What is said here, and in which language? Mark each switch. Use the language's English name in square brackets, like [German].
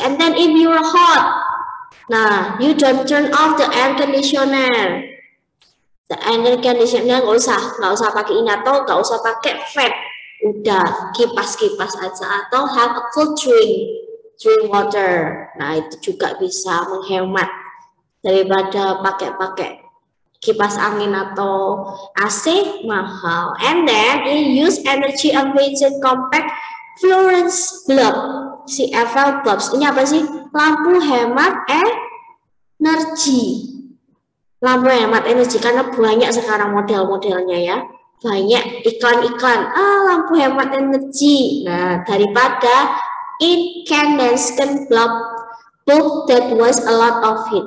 [English] And then if you are hot, nah, you don't turn off the air conditioner. [Indonesian] The air conditioner nggak usah pakai ini atau nggak usah pakai fan. Udah kipas aja atau [English] have a cold drink water. [Indonesian] Nah itu juga bisa menghemat daripada pakai kipas angin atau AC mahal. [English] And then you use energy efficient compact fluorescent bulb, CFL bulbs. [Indonesian] Ini apa sih? Lampu hemat energi. Lampu hemat energi karena banyak sekarang model-modelnya ya. Banyak iklan-iklan, lampu hemat energi. Nah, daripada [English] incandescent bulb that was a lot of heat.